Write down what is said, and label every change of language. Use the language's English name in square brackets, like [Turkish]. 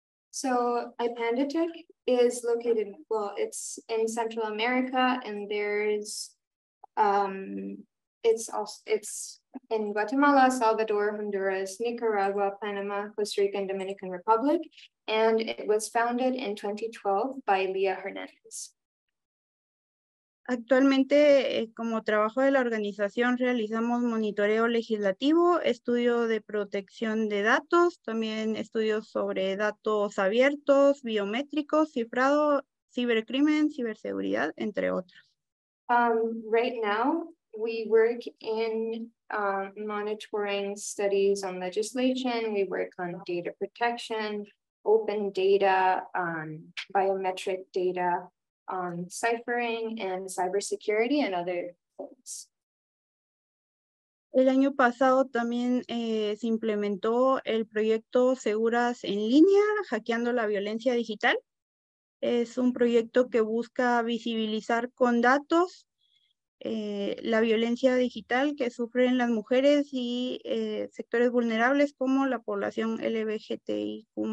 [English] So IPANDETIC is located, well, it's in Central America, and there's, it's also, it's in Guatemala, Salvador, Honduras, Nicaragua, Panama, Costa Rica, and Dominican Republic. And it was founded in 2012 by Leah Hernandez. [Spanish] Actualmente, como trabajo de la organización, realizamos monitoreo legislativo, estudio de protección de datos, también estudios sobre datos abiertos, biométricos, cifrado, cibercrimen, ciberseguridad, entre otros. [English] Right now, we work in monitoring studies on legislation, we work on data protection, open data, biometric data on ciphering and cybersecurity and other things. [Spanish] El año pasado también se implementó el proyecto Seguras en Línea, hackeando la violencia digital. Es un proyecto que busca visibilizar con datos la violencia digital que sufren las mujeres y sectores vulnerables como la población LGBTIQ+.